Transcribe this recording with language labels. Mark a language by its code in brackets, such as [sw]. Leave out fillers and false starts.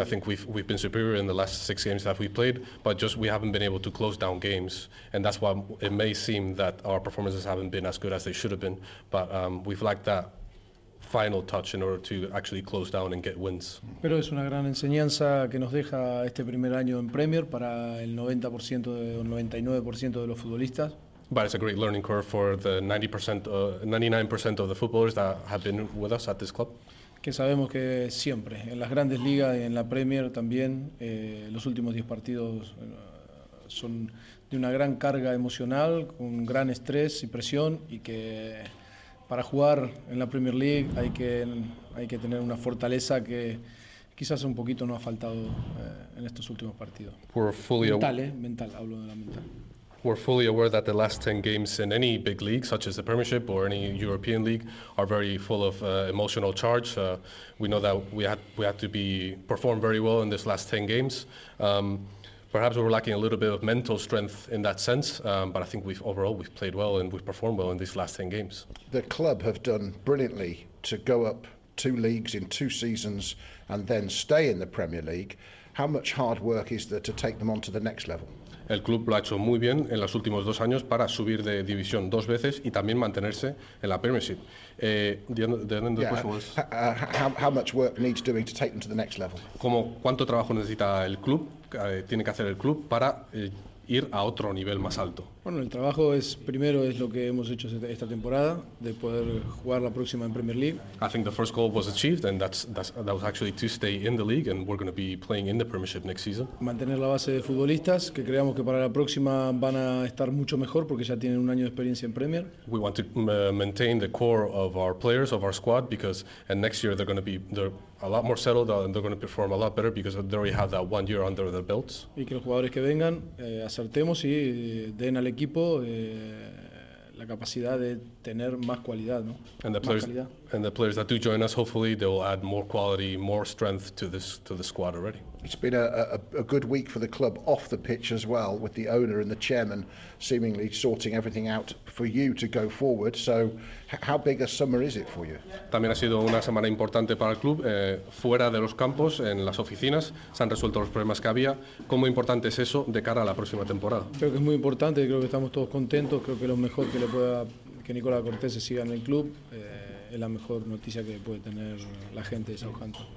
[en] I think we've been superior in the last six games that we played, but just we haven't been able to close down games, and that's why it may seem that our performances haven't been as good as they should have been, but we've lacked that final touch in order to actually close down and get wins. [es] Pero es una gran enseñanza que nos deja este primer año en Premier para el 90% o 99% de los futbolistas. [en] But it's a great learning curve for the 99% of the footballers that have been with us at this club. [es] Que sabemos que siempre en las grandes ligas y en la Premier también los últimos 10 partidos son de una gran carga emocional, con gran estrés y presión, y que para jugar en la Premier League hay que tener una fortaleza que quizás un poquito nos ha faltado en estos últimos partidos. Mental, hablo de la mental. [en] We're fully aware that the last 10 games in any big league, such as the Premiership or any European league, are very full of emotional charge. We know that we had to perform very well in this last 10 games. Perhaps we're lacking a little bit of mental strength in that sense, but I think we've overall played well and we've performed well in these last 10 games. The club have done brilliantly to go up two leagues in two seasons and then stay in the Premier League. How much hard work is there to take them on to the next level? [es] El club lo ha hecho muy bien en los últimos dos años para subir de división dos veces y también mantenerse en la Premiership. [en] How much work needs doing to take them to the next level? [es] Como cuánto trabajo necesita el club, tiene que hacer el club para ir a otro nivel más alto. Bueno, el trabajo es primero es lo que hemos hecho esta temporada de poder jugar la próxima en Premier League. [en] I think the first goal was achieved, and that was actually to stay in the league, and we're going to be playing in the Premiership next season. [es] Mantener la base de futbolistas que creamos que para la próxima van a estar mucho mejor porque ya tienen un año de experiencia en Premier. [en] We want to maintain the core of our players, of our squad, because and next year they're a lot more settled and they're going to perform a lot better because they already have that one year under their belts. [es] Y que los jugadores que vengan acertemos y den al equipo la capacidad de tener más cualidad, ¿no? [en] And the players that do join us, hopefully they will add more quality, more strength to the squad already. It's been a good week for the club off the pitch as well, with the owner and the chairman seemingly sorting everything out for you to go forward. So how big a summer is it for you? [es] También ha sido una semana importante para el club. Fuera de los campos, en las oficinas, se han resuelto los problemas que había. ¿Cómo importante es eso de cara a la próxima temporada? Creo que es muy importante, creo que estamos todos contentos. Creo que lo mejor que le pueda, que Nicolás Cortés siga en el club. Es la mejor noticia que puede tener la gente de Southampton.